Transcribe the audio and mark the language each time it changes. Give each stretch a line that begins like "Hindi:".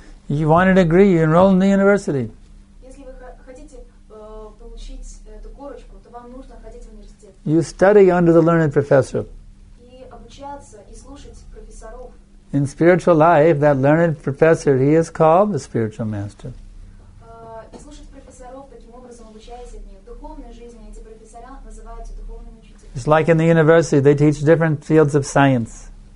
English: You want a degree, you enroll in the university.
Russian: Если вы хотите получить эту корочку, то вам нужно ходить в университет.
English: You study under the learned professor.
Russian: И обучаться, и слушать профессоров.
English: In spiritual life, that learned professor, he is called the spiritual master.
Russian: И слушать профессоров, таким образом обучаясь от них. В духовной жизни эти профессора называются духовными учителями.
English: It's like in the university, they teach different fields of science.